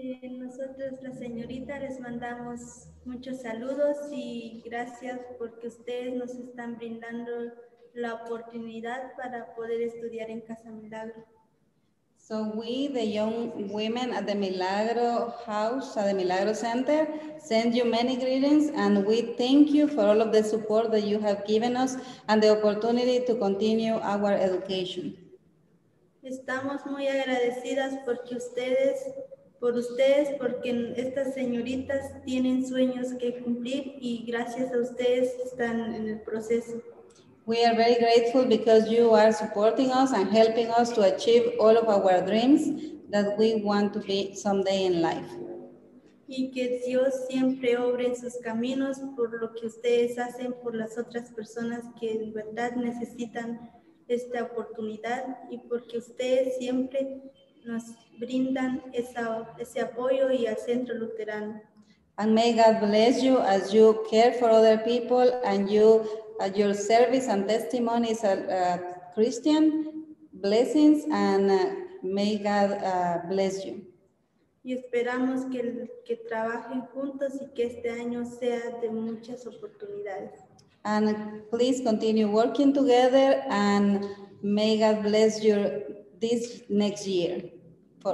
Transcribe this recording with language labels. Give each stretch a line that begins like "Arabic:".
Spanish: Nosotros, la señorita, les mandamos muchos saludos y gracias porque ustedes nos están brindando la oportunidad para poder estudiar en Casa Milagro.
English: So we, the young women at the Milagro House, at the Milagro Center, send you many greetings and we thank you for all of the support that you have given us and the opportunity to continue our education.
Spanish: Estamos muy agradecidas porque ustedes, por ustedes, porque estas señoritas tienen sueños que cumplir y gracias a ustedes están en el proceso.
English: We are very grateful because you are supporting us and helping us to achieve all of our dreams that we want to be someday in life.
Spanish: Y que Dios siempre obre en sus caminos por lo que ustedes hacen por las otras personas que en verdad necesitan esta oportunidad y porque ustedes siempre nos brindan ese apoyo y al Centro Luterano.
English: And may God bless you as you care for other people and you at your service and testimonies as a Christian, blessings, and may God bless you.
Spanish: Y esperamos que trabajen juntos y que este año sea de muchas oportunidades.
English: And please continue working together and may God bless you this next year for